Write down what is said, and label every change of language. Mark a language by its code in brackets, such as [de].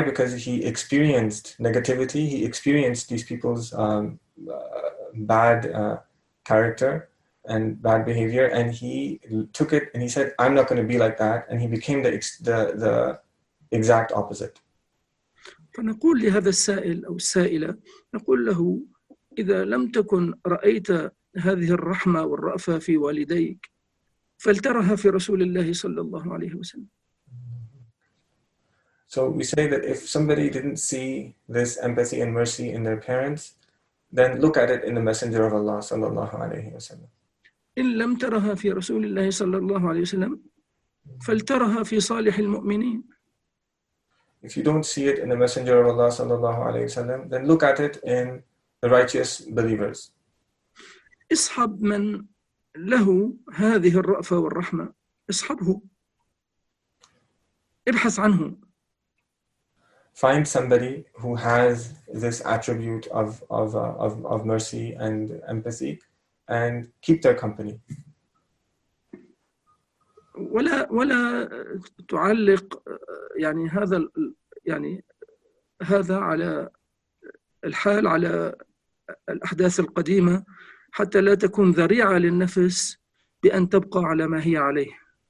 [en] Because he experienced negativity, he experienced these people's bad character and bad behavior, and he took it and he said, I'm not going to be like that, and he became the exact opposite. [ar] فنقول لهذا السائل أو السائلة، نقول له إذا لم تكن رأيت هذه الرحمة والرأفة في والديك فلترها في رسول الله صلى الله عليه وسلم. [en] So we say that if somebody didn't see this empathy and mercy in their parents, then look at it in the Messenger of Allah [ar] صلى الله عليه وسلم. إن لم ترها في رسول الله صلى الله عليه وسلم فلترها في صالح المؤمنين. [en] If you don't see it in the Messenger of Allah sallallahu alaihi wasallam, then look at it in the righteous believers. [ar] اصحب من له هذه الرأفة والرحمة، اصحبه، ابحث عنه. [en] Find somebody who has this attribute of mercy and empathy, and keep their company. [ar] ولا تعلق يعني هذا يعني هذا على الحال على الأحداث القديمة حتى لا تكون ذريعة للنفس بأن تبقى على ما هي عليه.